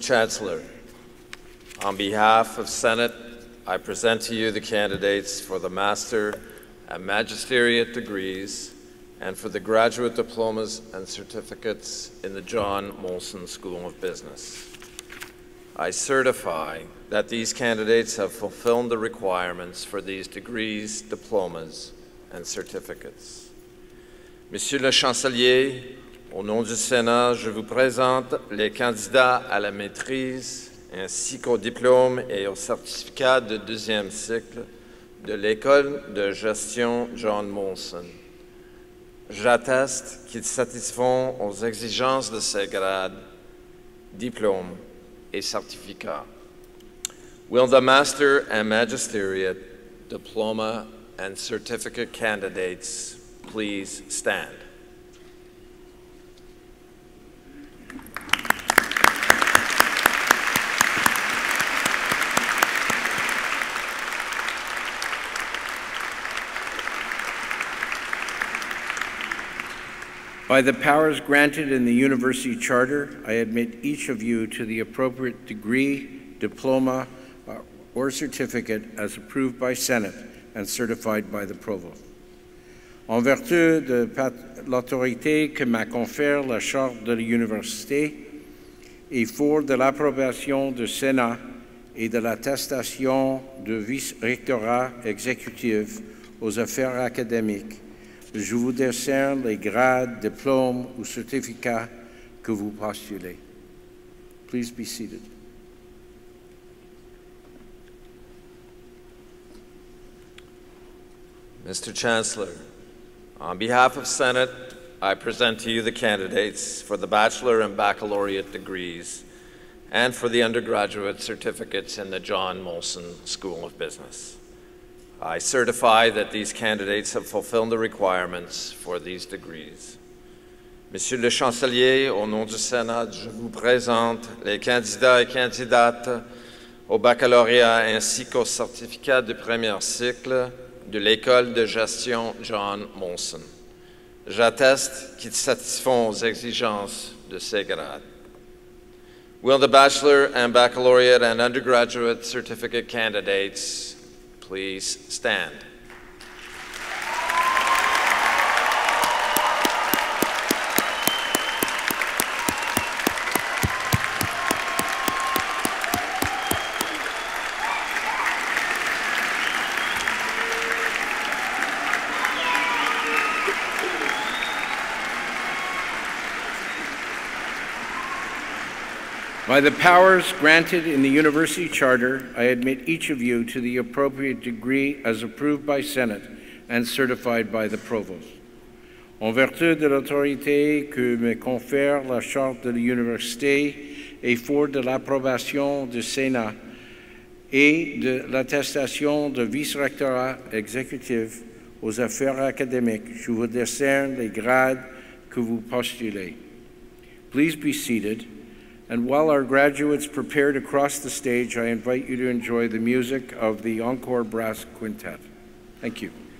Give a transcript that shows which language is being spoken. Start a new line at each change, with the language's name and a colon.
English: Chancellor, on behalf of Senate, I present to you the candidates for the Master and Magisteriate degrees and for the graduate diplomas and certificates in the John Molson School of Business. I certify that these candidates have fulfilled the requirements for these degrees, diplomas, and certificates.
French: Monsieur le Chancelier, au nom du Sénat, je vous présente les candidats à la maîtrise ainsi qu'au diplôme et au certificat de deuxième cycle de l'École de gestion John Molson. J'atteste qu'ils satisfont aux exigences de ces grades, diplômes et certificats.
English: Will the Master and Magisteriate, Diploma and Certificate candidates please stand? By the powers granted in the University Charter, I admit each of you to the appropriate degree, diploma, or certificate as approved by Senate and certified by the Provost.
French: En vertu de l'autorité que m'a conféré la Charte de l'Université et fort de l'approbation du Sénat et de l'attestation du vice-rectorat exécutif aux affaires académiques. Je vous décerne les grades, diplômes ou certificats que vous postulez.
English: Please be seated. Mr. Chancellor, on behalf of Senate, I present to you the candidates for the Bachelor and Baccalaureate degrees and for the undergraduate certificates in the John Molson School of Business. I certify that these candidates have fulfilled the requirements for these degrees.
French: Monsieur le Chancelier, au nom du Sénat, je vous présente les candidats et candidates au baccalauréat ainsi qu'au certificat de premier cycle de l'École de gestion John Molson. J'atteste qu'ils satisfont aux exigences de ces grades.
English: Will the bachelor and baccalaureate and undergraduate certificate candidates please stand? By the powers granted in the University Charter, I admit each of you to the appropriate degree as approved by Senate and certified by the Provost.
French: En vertu de l'autorité que me confère la Charte de l'Université et fort de l'approbation du Sénat et de l'attestation de vice-rectorat exécutif aux affaires académiques, je vous décerne les grades que vous postulez.
English: Please be seated. And while our graduates prepare to cross the stage, I invite you to enjoy the music of the Encore Brass Quintet. Thank you.